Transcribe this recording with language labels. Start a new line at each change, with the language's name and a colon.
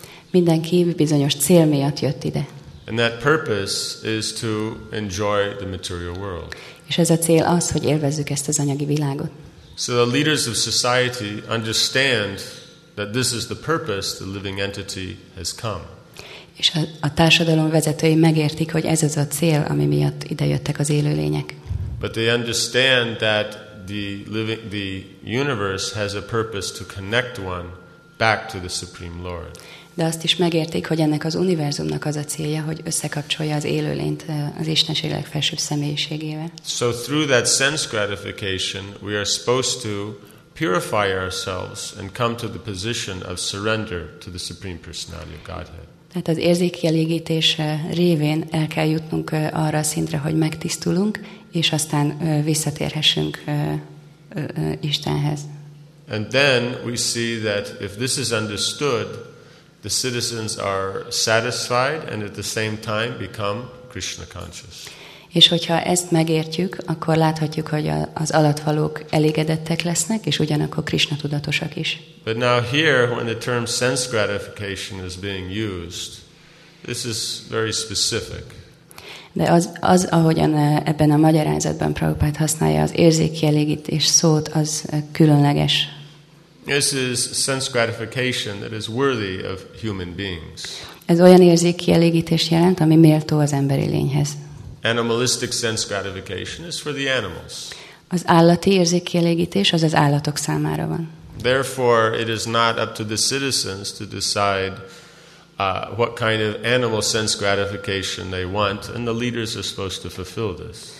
Hungarian: Mindenki bizonyos cél miatt jött ide.
English: And that purpose is to enjoy the material world.
Hungarian: És ez a cél az, hogy élvezzük ezt az anyagi világot.
English: So the leaders of society understand that this is the purpose the living entity has come.
Hungarian: És a társadalom vezetői megértik, hogy ez az a cél, ami miatt ide jöttek az élőlények.
English: But they understand that the universe has a purpose to connect one back to the Supreme Lord.
Hungarian: De azt is megértik, hogy ennek az univerzumnak az a célja, hogy összekapcsolja az élőlényt az Istenség legfelsőbb személyiségével.
English: So through that sense gratification, we are supposed to purify ourselves and come to the position of surrender to the Supreme Personality of Godhead.
Hungarian: Tehát az érzékielégítés révén el kell jutnunk arra a szintre, hogy megtisztulunk, és aztán visszatérhessünk Istenhez.
English: And then we see that if this is understood, the citizens are satisfied and at the same time become Krishna conscious.
Hungarian: És hogyha ezt megértjük, akkor láthatjuk, hogy az alattvalók elégedettek lesznek, és ugyanakkor Krishna tudatosak is.
English: But now here, when the term sense gratification is being used, this is very specific.
Hungarian: De az ahogyan ebben a magyarázatban Prabhupád használja az érzékielégítés szót, az különleges.
English: This is sense gratification that is worthy of human beings.
Hungarian: Ez olyan érzékielégítést jelent, ami méltó az emberi lényhez.
English: Animalistic sense gratification is for the animals.
Hungarian: Az állati érzékielégítés az az állatok számára van.
English: Therefore, it is not up to the citizens to decide what kind of animal sense gratification they want, and the leaders are supposed to fulfill this.